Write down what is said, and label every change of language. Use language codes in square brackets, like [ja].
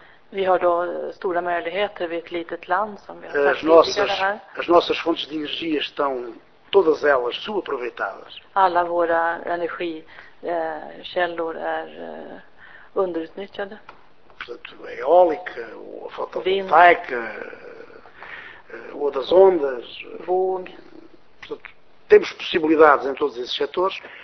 [sv] Vi har då stora möjligheter vid ett litet land som vi har. [pt] As nossas fontes de energia estão todas elas subaproveitadas. [sv] Alla våra energikällor är underutnyttjade. [pt] Portanto, a eólica, a fotovoltaica, ou das ondas. [sv] Vog. [pt] Portanto, temos possibilidades em todos esses setores.